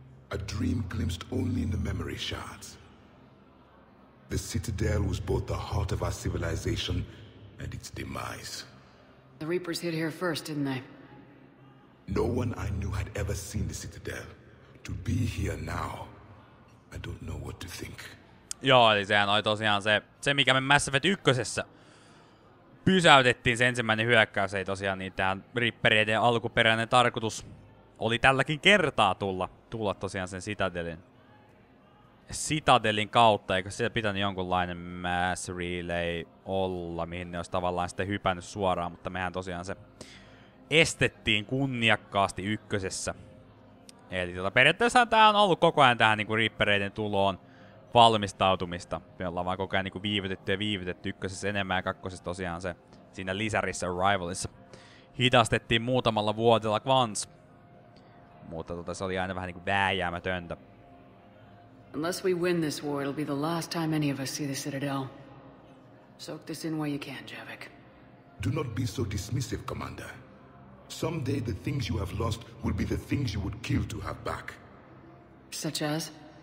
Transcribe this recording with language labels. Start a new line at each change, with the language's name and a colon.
English: A dream glimpsed only in the memory shards. The Citadel was both the heart of our civilization and its demise. The Reapers hit here first, didn't they? No one I knew had ever seen the Citadel. To be here now, I don't know what to think.
Finnish: Joo, eli sehän oli tosiaan se mikä me Mass Effect 1:ssä pysäytettiin, se ensimmäinen hyökkäys, ei tosiaan niin tähän Reapereiden alkuperäinen tarkoitus oli tälläkin kertaa tulla tosiaan sen Citadelin kautta, eikö siellä pitänyt jonkunlainen mass relay olla, mihin ne olisi tavallaan sitten hypännyt suoraan, mutta mehän tosiaan se estettiin kunniakkaasti ykkösessä. Eli periaatteessa tämä on ollut koko ajan tähän niinku Reapereiden tuloon valmistautumista. Me ollaan vaan koko ajan niinku viivytetty ykkösessä enemmän, ja kakkosessa tosiaan se siinä lisärissä Arrivalissa hidastettiin muutamalla vuotella kvans. Mutta se oli aina vähän niinku vääjäämätöntä.
English: Unless we win this war, it'll be the last time any of us see the Citadel. Soak this in while you can, Javik. Do not be so dismissive, Commander. Someday the things you have lost will be the things you would kill to have back. Such as?